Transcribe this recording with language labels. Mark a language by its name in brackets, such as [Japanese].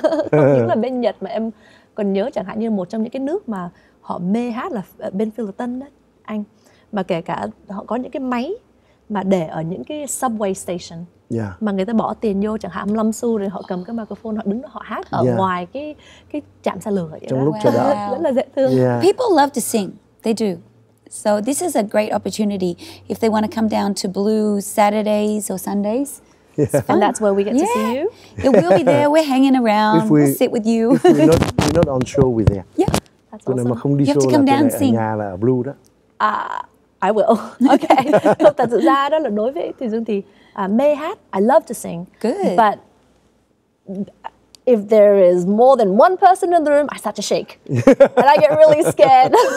[Vietnamese] Không những là bên Nhật mà em còn nhớ chẳng hạn như một trong những cái nước mà họ mê hát là bên Fullerton đó anh. Mà kể cả họ có những cái máy mà để ở những cái subway station. [English] Yeah. [Vietnamese] Mà người ta bỏ tiền vô chẳng hạn 5 xu rồi họ cầm cái microphone họ đứng đó, họ hát ở ngoài cái trạm xe lửa vậy. Trong lúc chờ đợi. Rất là dễ thương. [English] Yeah. People love to sing. They do. So this is a great opportunity if they want to come down to Blue Saturdays or Sundays. Yeah. And that's where we get to see you. Yeah, we'll be there. We're hanging around. We'll sit with you. if we're not on show, we're there. Yeah, that's awesome. [Vietnamese] Mà không đi show, [English] you have to come down and sing. [Vietnamese] Ở nhà là ở Blue đó. [English] I will. Okay. [Vietnamese] Thật sự ra đó là đối với Thùy Dương thì mê hát. [English] I love to sing. Good. But if there is more than one person in the room, I start to shake and I get really scared.